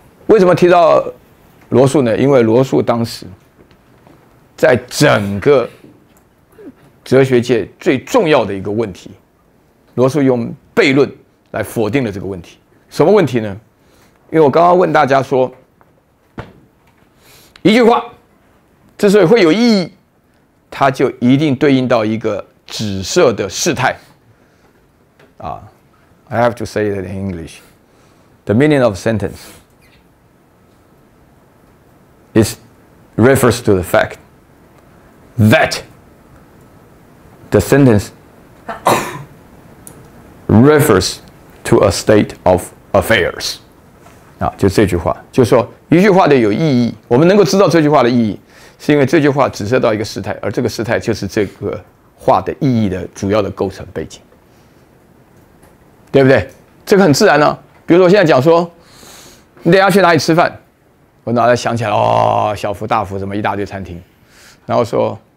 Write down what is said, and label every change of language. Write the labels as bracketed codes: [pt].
[zh] 为什么提到罗素呢？因为罗素当时在整个哲学界最重要的一个问题，罗素用悖论来否定了这个问题。什么问题呢？因为我刚刚问大家说，一句话之所以会有意义，它就一定对应到一个指涉的事态。 [en] I have to say it in English. The meaning of sentence is refers to the fact that. The sentence refers to a state of affairs. [zh] 啊，就这句话，就是说一句话的有意义。我们能够知道这句话的意义，是因为这句话指涉到一个事态，而这个事态就是这个话的意义的主要的构成背景，对不对？这个很自然呢、啊。比如说我现在讲说，你等下去哪里吃饭，我脑袋想起来，哦，小福、大福什么一大堆餐厅，然后说。